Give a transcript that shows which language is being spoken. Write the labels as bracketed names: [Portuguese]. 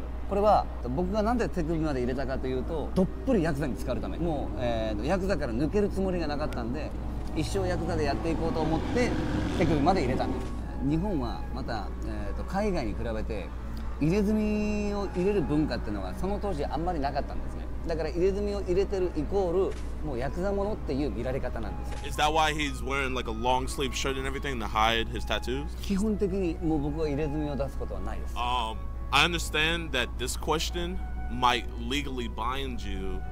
[Japanese] これは僕がなんで手首まで入れたかというと、どっぷりヤクザに使うため、もう、ヤクザから抜けるつもりがなかったんで、一生ヤクザでやっていこうと思って手首まで入れたんです。日本はまた、海外に比べて入れ墨を入れる文化っていうのはその当時あんまりなかったんですね。だから入れ墨を入れてるイコールもうヤクザものっていう見られ方なんですよ。 [English] Is that why he's wearing like a long sleeve shirt and everything to hide his tattoos? [Japanese] 基本的にもう僕は入れ墨を出すことはないです。 [English] I understand that this question might legally bind you.